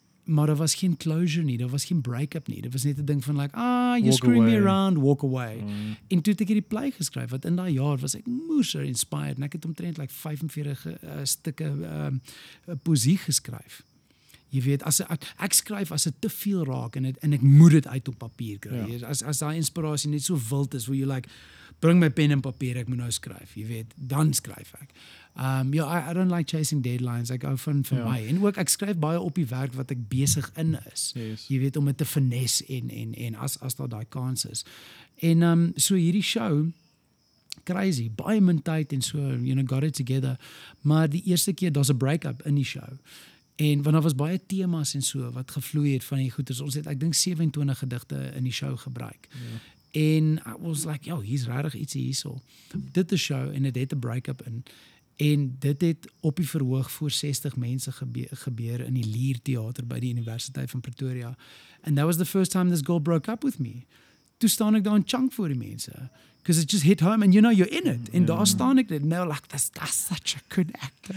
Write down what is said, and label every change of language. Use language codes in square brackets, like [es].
[af] Maar daar was geen closure nie, daar was geen break-up nie. Dit was net 'n ding van like, [en] you screw me around, walk away. [af] En toe het ek hierdie play geskryf, wat in daai jaar was ek moes er inspired, en ek het omtrent [en] like 45 stukke [af] poesie geskryf. Jy weet, ek skryf as dit te veel raak, en ek moet dit uit op papier kry. Yeah. As daai inspirasie net so wild is, [en] where you like, bring my pen [af] en papier, ek moet nou skryf, jy weet, dan skryf ek. [en] I don't like chasing deadlines. I go for my end work. [af] Ek skryf baie op die werk wat ek besig in is. [en] Yes. [af] Jy weet, om dit te finess en as daar daai kans is. En so hierdie show, crazy, baie min tyd en so, [en] you know, got it together. [af] Maar die eerste keer, daar's 'n break-up in die show. En want daar was baie temas en so wat gevloei het van die goeders. Ons het, ek dink, 27 gedigte in die show gebruik. Yeah. En [en] I was like, [af] hier's regtig iets hierso. Dit is show en dit het 'n break-up in. En dit het op die verhoog voor 60 mense gebeur in die Lier Theater by die Universiteit van Pretoria. [en] And that was the first time this girl broke up with me. [af] Toe staan ek daar in chunk voor die mense. [en] Because it just hit home and you know you're in it. [af] En daar staan ek, [en] and they're like, that's such a good actor.